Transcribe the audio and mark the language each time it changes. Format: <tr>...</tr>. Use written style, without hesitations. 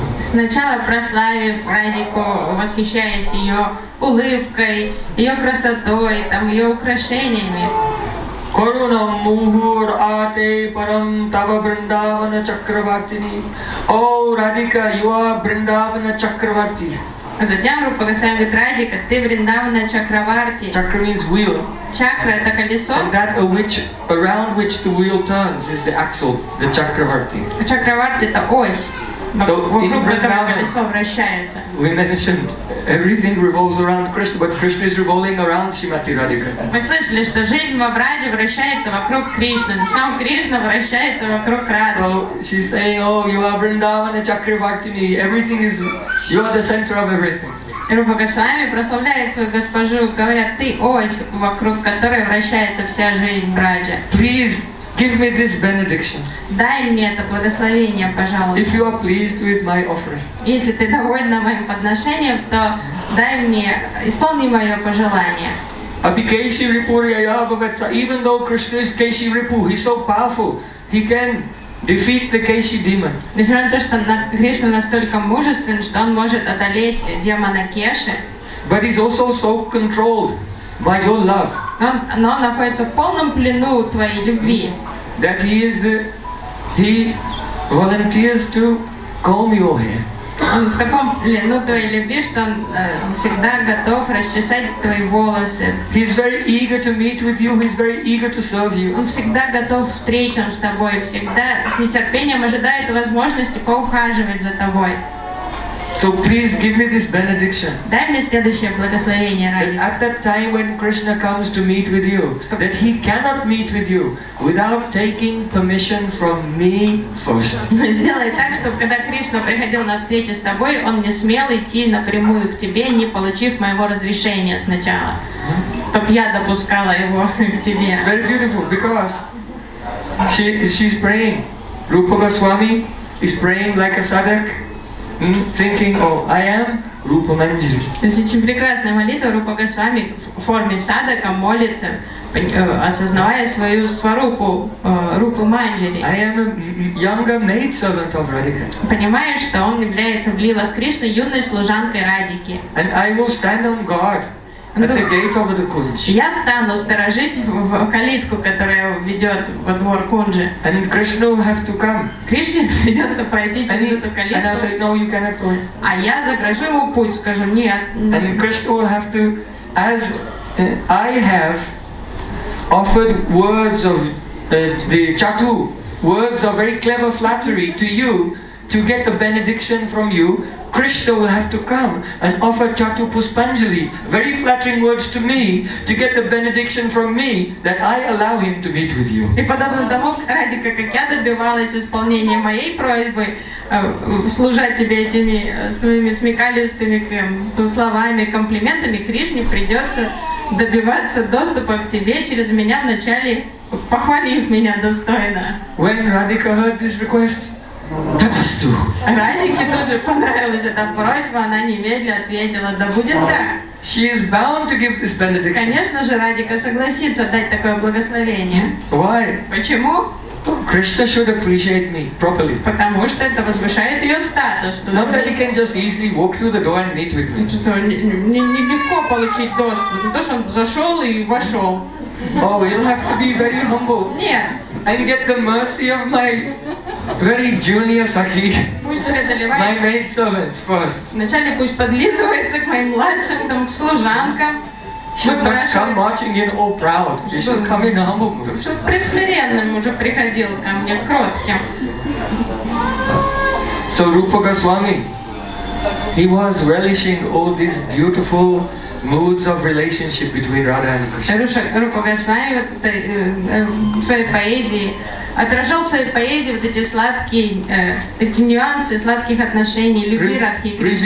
<ru>Сначала прославив Радику, восхищаясь ее улыбкой, ее красотой, там, ее украшениями.</ru> <sa>Корунам мухур ате парам тава бриндавана чакравартини.</sa> <en>О, Радика, you are бриндавана чакраварти.</en> <ru>Затем руку касаем, говорит, Радика, ты бриндавана чакраварти.</ru> <en>Чакра means wheel.</en> <ru>Чакра — это колесо.</ru> <en>And that around which the wheel turns is the axle, the чакраварти.</en> <ru>Чакраварти — это ось.</ru> <en>So in Vrindavan, we mentioned everything revolves around Krishna, but Krishna is revolving around Shrimati Radhika.</en> <ru>Мы слышали, что жизнь во Враже вращается вокруг Кришны, сам Кришна вращается вокруг Радхи.</ru> <en>So she's saying, oh, you are Vrindavana Chakravartini, everything is, you are the center of everything.</en> <ru>И Рупа Госвами прославляет свою госпожу, говорят, ты ось, вокруг которой вращается вся жизнь Враджа.</ru> <en>Please. Give me this benediction.</en> <ru>Дай мне это благословение, пожалуйста.</ru> <en>If you are pleased with my offering.</en> <ru>Если ты довольна моим подношением, то дай мне, исполни мое пожелание.</ru> <sa>Abhikeshi Ripuryaya Bhavatsa,</sa> <en>even though Krishna is Keshi Ripu, he's so powerful, he can defeat the Keshi demon.</en> <ru>Несмотря на то, что Кришна настолько мужествен, что он может одолеть демона Кеши.</ru> <en>But he's also so controlled by your love.</en> <ru>Но он находится в полном плену твоей любви.</ru> <en>That he is the, he volunteers to comb your hair.</en> <ru>Он в таком плену твоей любви, что он всегда готов расчесать твои волосы.</ru> <en>He is very eager to meet with you. He is very eager to serve you.</en> <ru>Он всегда готов к встречам с тобой. Всегда с нетерпением ожидает возможности поухаживать за тобой.</ru> <en>So please give me this benediction.</en> <ru>Дай мне следующее благословение, Радика.</ru> <en>At that time when Krishna comes to meet with you, that he cannot meet with you without taking permission from me first.</en> <ru>Сделай так, чтобы когда Кришна приходил на встречу с тобой, он не смел идти напрямую к тебе, не получив моего разрешения сначала, чтоб я допускала его к тебе.</ru> <en>Very beautiful, because she's praying. Rupa Goswami is praying like a sadhak. Thinking, oh, I am Rupa Manjari.</en> <ru>Это очень прекрасная молитва Рупа Госвами в форме садака молится, осознавая свою сварупу Рупу Манджари.</ru> <en>I am a younger maid servant of Radhika.</en> <ru>Понимая, что он является в лилах Кришны юной служанкой Радики.</ru> <en>And I will stand on guard at the gate over the Kunj.</en> <ru>Я стану сторожить калитку, которая ведет во двор Кунджи.</ru> <en>And Krishna will have to come.</en> <ru>Кришне придется пройти через эту калитку.</ru> <en>And I'll say, no, you cannot go.</en> <ru>А я закрашу ему путь, скажу, нет.</ru> <en>And Krishna will have to, as I have offered words of the chatu, words of very clever flattery to you, to get a benediction from you, Krishna will have to come and offer Chatu Puspanjali, very flattering words to me, to get the benediction from me that I allow him to meet with you.</en> <ru>И подобно тому, Радика, как я добивалась исполнения моей просьбы, служа тебе этими своими смекалистыми словами, комплиментами, Кришне придется добиваться доступа к тебе через меня вначале, похвалив меня достойно.</ru> <en>When Radhika heard this request, Татасту.</en> <ru>Радике тут же понравилась эта просьба, она немедленно ответила, да будет так.</ru> <en>She is bound to give this benediction.</en> <ru>Конечно же, Радика согласится дать такое благословение.</ru> <en>Why?</en> <ru>Почему?</ru> <en>Krishna should appreciate me properly.</en> <ru>Потому что это возвышает ее статус.</ru> <en>Not that he can just easily walk through the door and meet with me.</en> <ru>Что не легко получить доступ, не то, что он зашел и вошел.</ru> <en>Oh, you'll have to be very humble.</en> <ru>Нет.</ru> <en>And get the mercy of my very junior sakhi. My maid servants first.</en> <ru>Вначале пусть подлизывается к моим младшим там служанкам. Чтобы</ru> <en>come marching in all proud. You should come in humble.</en> <ru>Чтобы присмиренным уже приходил ко мне кротким.</ru> <en>So Rupa Goswami, he was relishing all these beautiful moods of relationship between Radha and Krishna.</en> <ru>Рупа Госвами своей поэзии отражал в своей поэзии вот эти сладкие эти нюансы сладких отношений любви Радхи и Кришны.</ru>